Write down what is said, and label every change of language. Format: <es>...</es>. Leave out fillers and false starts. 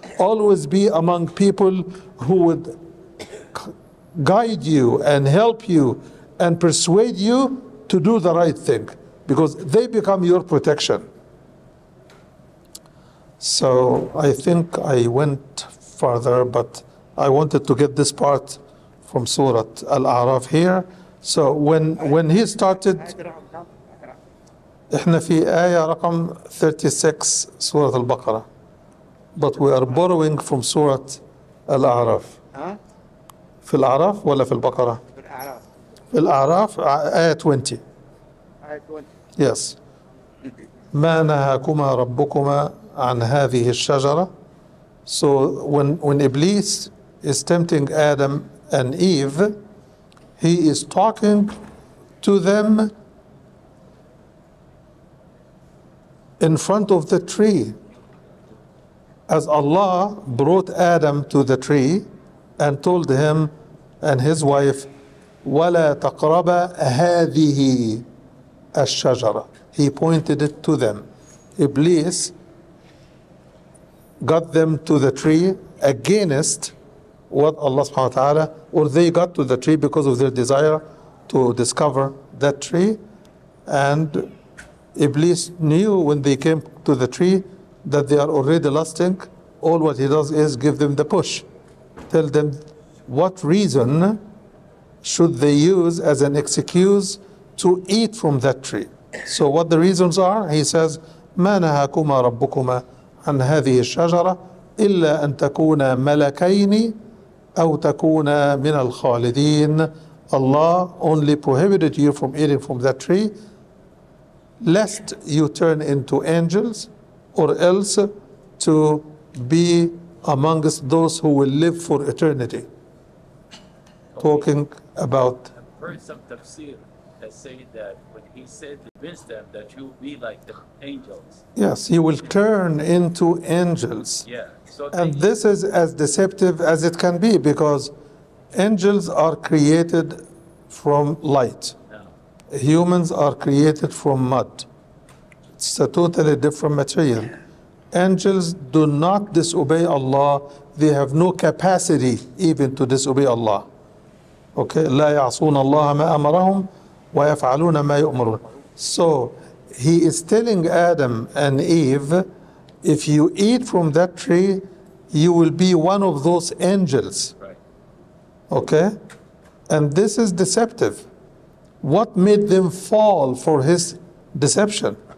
<en>Always be among people who would guide you and help you and persuade you to do the right thing, because they become your protection. So I think I went further, but I wanted to get this part from Surah Al-A'raf here. So when he started,</en> <ar>احنا في آية رقم 36 سورة البقرة.</ar> <en>But we are borrowing from Surah Al-A'raf.</en> <ar>في الأعراف ولا في البقرة؟ في الأعراف. آية 20.</ar> <en>Yes.</en> <ar>ما نهاكما ربكما عن هذه الشجرة.</ar> <en>So when Iblis is tempting Adam and Eve, he is talking to them in front of the tree. As Allah brought Adam to the tree and told him and his wife,</en> <ar>وَلَا تَقْرَبَ هَذِهِ الشَّجَرَ.</ar> <en>He pointed it to them. Iblis got them to the tree against what Allah subhanahu wa ta'ala, or they got to the tree because of their desire to discover that tree. And Iblis knew when they came to the tree that they are already lusting. All what he does is give them the push. Tell them what reason should they use as an excuse to eat from that tree. So what the reasons are, he says,</en> <ar>مَا نَهَاكُمَا رَبُّكُمَا عَنْ هَذِهِ الشَّجَرَةِ إِلَّا أَن تَكُونَ مَلَكَيْنِ أَوْ تَكُونَ مِنَ الْخَالِدِينَ.</ar> <en>Allah only prohibited you from eating from that tree, lest you turn into angels, or else to be amongst those who will live for eternity. Okay. Talking about, I've heard some tafsir that say that when he said to convince them that you'll be like the angels. Yes, you will turn into angels. Yeah. So and this is as deceptive as it can be, because angels are created from light. Humans are created from mud. It's a totally different material. Angels do not disobey Allah. They have no capacity even to disobey Allah. Okay?</en> <ar>لا يعصون الله ما أمرهم ويفعلون ما يؤمرون.</ar> <en>So he is telling Adam and Eve, if you eat from that tree, you will be one of those angels. Okay? And this is deceptive. What made them fall for his deception?</en>